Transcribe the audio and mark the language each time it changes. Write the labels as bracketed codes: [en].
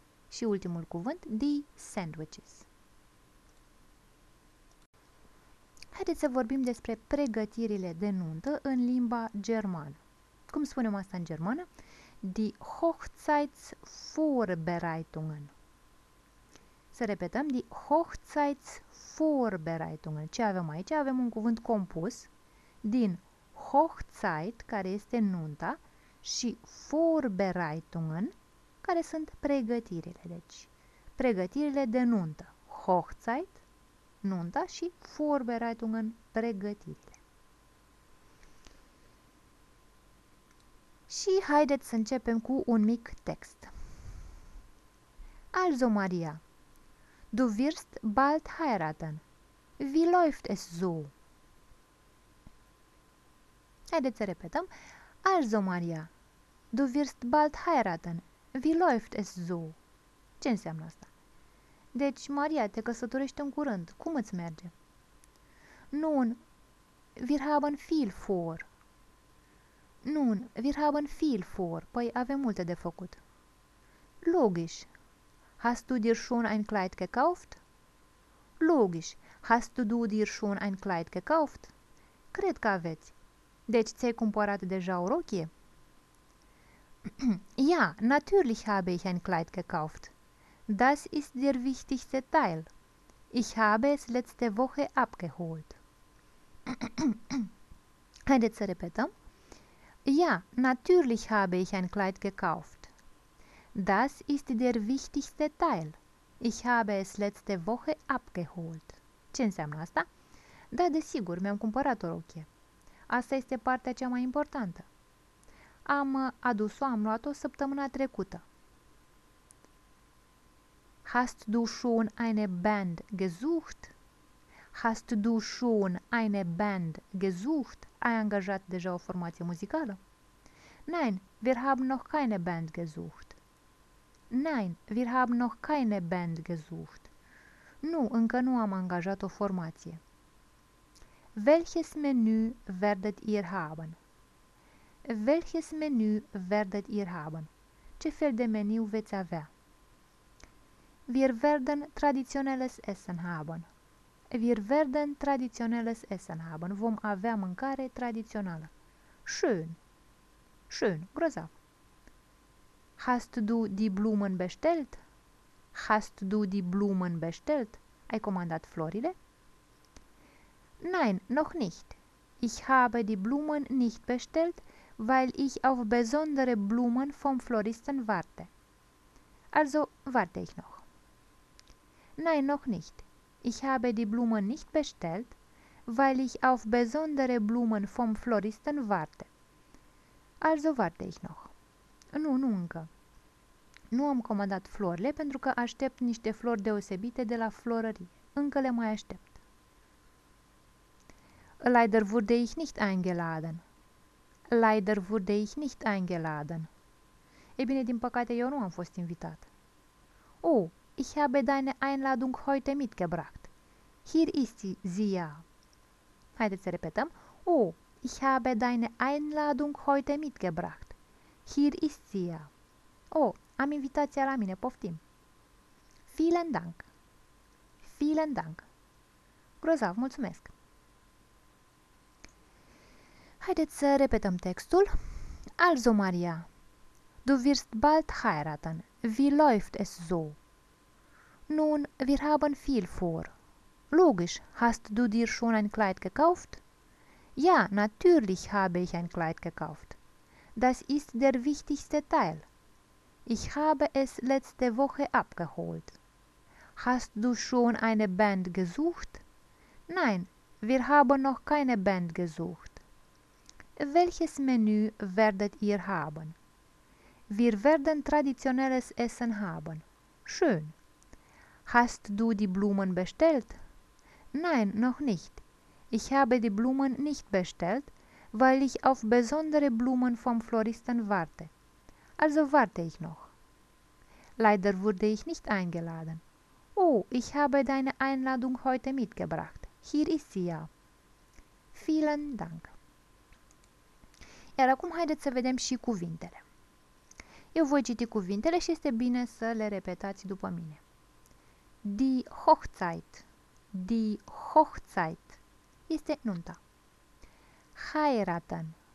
[ro] Și ultimul cuvânt, die Sandwiches. Haideți să vorbim despre pregătirile de nuntă în limba germană. Cum spunem asta în germană? [de] Die Hochzeitsvorbereitungen. [ro] Să repetăm, die Hochzeitsvorbereitungen. Ce avem aici? Avem un cuvânt compus din Hochzeit, care este nunta, și Vorbereitungen, care sunt pregătirile. Deci, pregătirile de nuntă. Hochzeit. Nunta și Vorbereitung în pregătirile. Și haideți să începem cu un mic text. [de] Also, Maria, du wirst bald heiraten. Wie läuft es so? [ro] Haideți să repetăm. [de] Also, Maria, du wirst bald heiraten. Wie läuft es so? [ro] Ce înseamnă asta? Deci, Maria, te căsătorești în curând. Cum îți merge? [de] Nun, wir haben viel vor. Nun, wir haben viel vor. [ro] Păi avem multe de făcut. [de] Logisch. Hast du dir schon ein Kleid gekauft? Logisch. Hast du dir schon ein Kleid gekauft? [ro] Cred că aveți. Deci ți-ai cumpărat deja o rochie? [de] Ja, natürlich habe ich ein Kleid gekauft. Das ist der wichtigste Teil. Ich habe es letzte Woche abgeholt. [ro] Haideți să repetăm. [de] Ja, natürlich habe ich ein Kleid gekauft. Das ist der wichtigste Teil. Ich habe es letzte Woche abgeholt. [ro] Ce înseamnă asta? Da, desigur, mi-am cumpărat o rochie. Asta este partea cea mai importantă. Am adus-o, am luat-o săptămâna trecută. [de] Hast du schon eine Band gesucht? Hast du schon eine Band gesucht? [ro] Ai angajat deja o formație muzicală? [de] Nein, wir haben noch keine Band gesucht. Nein, wir haben noch keine Band gesucht. [ro] Nu, încă nu am angajat o formație. [de] Welches Menü werdet ihr haben? Welches Menü werdet ihr haben? [ro] Ce fel de meniu veți avea? [de] Wir werden traditionelles Essen haben. Wir werden traditionelles Essen haben. [ro] Vom avea mâncare tradițională. [de] Schön. Schön, grozav. Hast du die Blumen bestellt? Hast du die Blumen bestellt? [ro] Ai comandat florile? [de] Nein, noch nicht. Ich habe die Blumen nicht bestellt, weil ich auf besondere Blumen vom Floristen warte. Also warte ich noch. Nein, noch nicht. Ich habe die Blumen nicht bestellt, weil ich auf besondere Blumen vom Floristen warte. Also warte ich noch. [ro] Nu, nu încă. Nu am comandat florile pentru că aștept niște flori deosebite de la florării. Încă le mai aștept. [de] Leider wurde ich nicht eingeladen. Leider wurde ich nicht eingeladen. [ro] Ei bine, din păcate, eu nu am fost invitat. [de] Oh, ich habe deine Einladung heute mitgebracht. Hier ist sie ja. [ro] Haideți să repetăm. [de] Oh, ich habe deine Einladung heute mitgebracht. Hier ist sie ja. [ro] Oh, am invitația la mine, poftim. [de] Vielen Dank. Vielen Dank. [ro] Grozav, mulțumesc. Haideți să repetăm textul. [de] Also, Maria, du wirst bald heiraten. Wie läuft es so? Nun, wir haben viel vor. Logisch, hast du dir schon ein Kleid gekauft? Ja, natürlich habe ich ein Kleid gekauft. Das ist der wichtigste Teil. Ich habe es letzte Woche abgeholt. Hast du schon eine Band gesucht? Nein, wir haben noch keine Band gesucht. Welches Menü werdet ihr haben? Wir werden traditionelles Essen haben. Schön. Hast du die Blumen bestellt? Nein, noch nicht. Ich habe die Blumen nicht bestellt, weil ich auf besondere Blumen vom Floristen warte. Also warte ich noch. Leider wurde ich nicht eingeladen. Oh, ich habe deine Einladung heute mitgebracht. Hier ist sie ja. Vielen Dank. [ro] Iar acum haideți să vedem și cuvintele. Eu voi citi cuvintele și este bine să le repetați după mine. [de] Die Hochzeit. Die Hochzeit. [ro] Este nunta. [de] Heiraten.